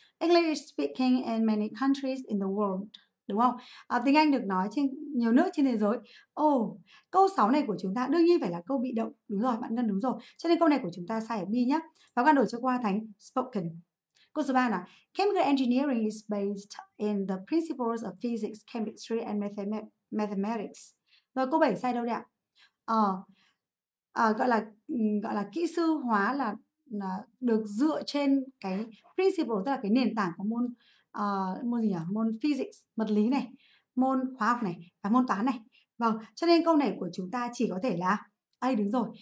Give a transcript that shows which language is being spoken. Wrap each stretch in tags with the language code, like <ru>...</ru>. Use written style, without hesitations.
<en>English speaking in many countries in the world.</en> <vi>Đúng không? À, tiếng Anh được nói trên nhiều nước trên thế giới. Ồ, câu 6 này của chúng ta đương nhiên phải là câu bị động. Đúng rồi, bạn Ngân đúng rồi. Cho nên câu này của chúng ta sai ở B nhé. Và bạn đổi cho qua thành spoken. Câu số 3 là</vi> <en>Chemical engineering is based in the principles of physics, chemistry and mathematics.</en> <vi>Rồi câu 7 sai đâu đấy ạ? Gọi là kỹ sư hóa là được dựa trên cái principle, tức là cái nền tảng của môn môn gì nhỉ? Môn physics, vật lý này, môn khoa học này và môn toán này. Vâng, cho nên câu này của chúng ta chỉ có thể là A, đúng rồi.</vi>